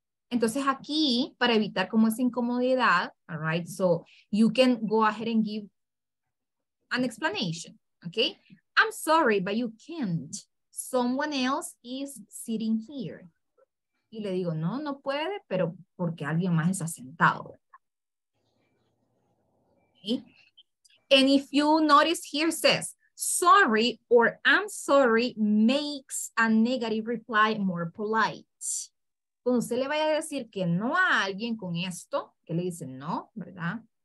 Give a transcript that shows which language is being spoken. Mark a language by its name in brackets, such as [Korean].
[Spanish] Entonces aquí, para evitar como esa incomodidad, [English] all right, so you can go ahead and give an explanation, ok? I'm sorry, but you can't. Someone else is sitting here. [Spanish] Y le digo, no, no puede, pero porque alguien más está sentado, ¿verdad? [English] And if you notice here says, sorry or I'm sorry makes a negative reply more polite. [Spanish] Cuando usted le vaya a decir que no a alguien con esto, que le dice no, ¿verdad?